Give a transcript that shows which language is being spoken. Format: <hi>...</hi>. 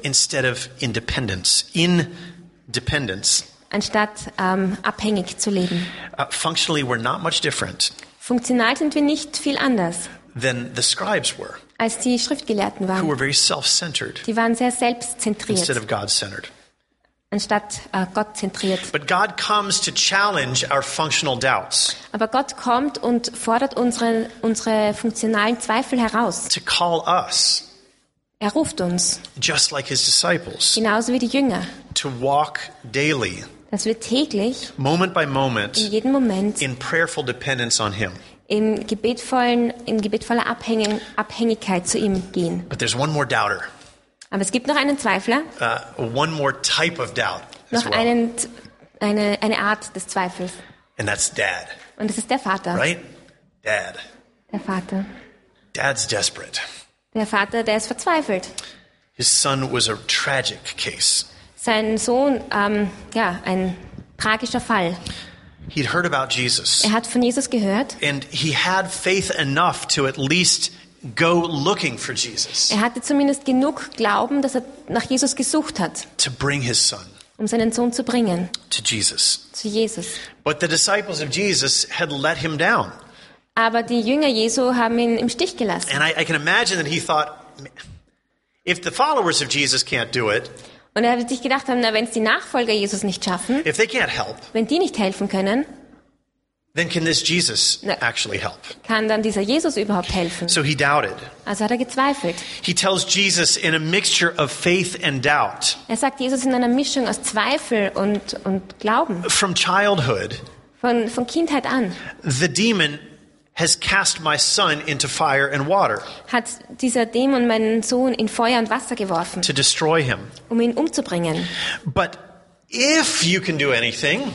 <en>Instead of independence, in dependence.</en> <de>Anstatt abhängig zu leben.</de> <en>Functionally, we're not much different.</en> <de>Funktional sind wir nicht viel anders.</de> <en>Than the scribes were.</en> <de>Als die Schriftgelehrten waren.</de> <en>Who were very self-centered.</en> <de>Die waren sehr selbstzentriert.</de> <en>Instead of God-centered.</en> <de>Anstatt Gott zentriert.</de> <en>But God comes to challenge our functional doubts.</en> <de>Aber Gott kommt und fordert unsere funktionalen Zweifel heraus.</de> <en>To call us.</en> <de>Er ruft uns.</de> <en>Just like his disciples.</en> <de>Genauso wie die Jünger.</de> <en>To walk daily.</en> <de>Dass wir täglich.</de> <en>Moment by moment.</en> <de>In jedem Moment.</de> <en>In prayerful dependence on him.</en> <de>In gebetvoller Abhängigkeit zu ihm gehen.</de> <en>But there's one more doubter.</en> <de>Aber es gibt noch einen Zweifler.</de> <en>One more type of doubt.</en> <de>Noch</de> <en>as well.</en> <de>eine Art des Zweifels.</de> <en>And that's Dad.</en> <de>Und das ist der Vater.</de> <en>Right? Dad.</en> <de>Der Vater.</de> <en>Dad's desperate.</en> <de>Der Vater, der ist verzweifelt.</de> <en>His son was a tragic case.</en> <de>Sein Sohn, ein tragischer Fall.</de> <en>He'd heard about Jesus.</en> <de>Er hat von Jesus gehört.</de> <en>And he had faith enough to at least go looking for Jesus.</en> <de>Er hatte zumindest genug Glauben, dass er nach Jesus gesucht hat.</de> <en>To bring his son.</en> <de>Um seinen Sohn zu bringen.</de> <en>To Jesus.</en> <de>Zu Jesus.</de> <en>But the disciples of Jesus had let him down.</en> <de>Aber die Jünger Jesu haben ihn im Stich gelassen.</de> <en>And I can imagine that he thought, if the followers of Jesus can't do it.</en> <de>Und er hat sich gedacht, wenn es die Nachfolger Jesus nicht schaffen,</de> <en>if they can't help,</en> <de>wenn die nicht helfen können,</de> <en>then can this Jesus actually help?</en> <de>Kann dann dieser Jesus überhaupt helfen?</de> <en>So he doubted.</en> <de>Also hat er gezweifelt.</de> <en>He tells Jesus in a mixture of faith and doubt.</en> <de>Er sagt Jesus in einer Mischung aus Zweifel und Glauben.</de> <en>From childhood,</en> <de>von Kindheit an,</de> <en>the demon has cast my son into fire and water.</en> <de>Hat dieser Dämon meinen Sohn in Feuer und Wasser geworfen?</de> <en>To destroy him.</en> <de>Um ihn umzubringen.</de> <en>But if you can do anything,</en>